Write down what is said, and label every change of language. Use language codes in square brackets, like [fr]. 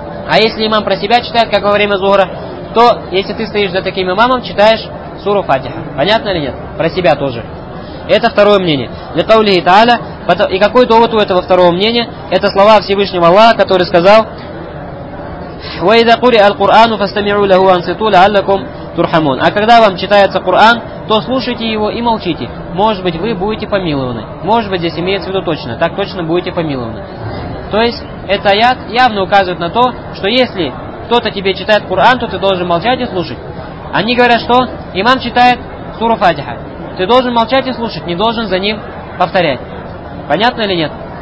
[ru] А если имам про себя читает, как во время зухра, то если ты стоишь за таким имамом, читаешь суру Фатиха. Понятно или нет? Про себя тоже. Это второе мнение. [ar] Ликаулихи тааля. [ru] И какой довод у этого второго мнения? Это слова Всевышнего Аллаха, который сказал [ar] وإذا قرئ القرآن فاستمعوا له وانصتوا لعلكم ترحمون. [ru] А когда вам читается Коран, то слушайте его и молчите. Может быть, вы будете помилованы. Может быть, здесь имеется в виду точно. Так точно будете помилованы. То есть, этот аят явно указывает на то, что если кто-то тебе читает Коран, то ты должен молчать и слушать. Они говорят, что имам читает суру Фатиха. Ты должен молчать и слушать, не должен за ним повторять. Понятно или нет?